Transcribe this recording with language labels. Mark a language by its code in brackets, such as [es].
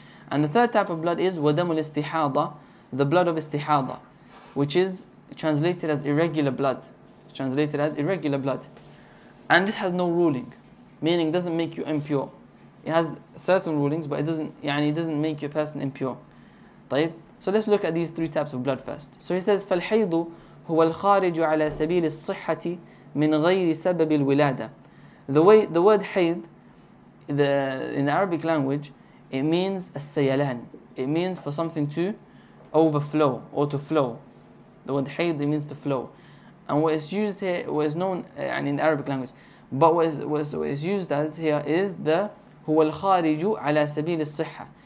[en] And the third type of blood is wadamu al-istihada, the blood of istihada, which is translated as irregular blood. Translated as irregular blood. And this has no ruling, meaning doesn't make you impure. It has certain rulings, but it doesn't make your person impure. [ar] طيب. [en] So let's look at these three types of blood first. So he says, [ar] فَالْحَيْضُ هُوَ الْخَارِجُ عَلَى سَبِيلِ الصِّحَّةِ مِنْ غَيْرِ سَبَبِ الْوِلَادَةِ. [en] The word حَيْض, in the Arabic language, it means السَّيَلَان. It means for something to overflow or to flow. The word حَيْض, it means to flow. And what is used here, what is known in the Arabic language, but what is used as here is the [ar] هو الخارج على سبيل الصحة.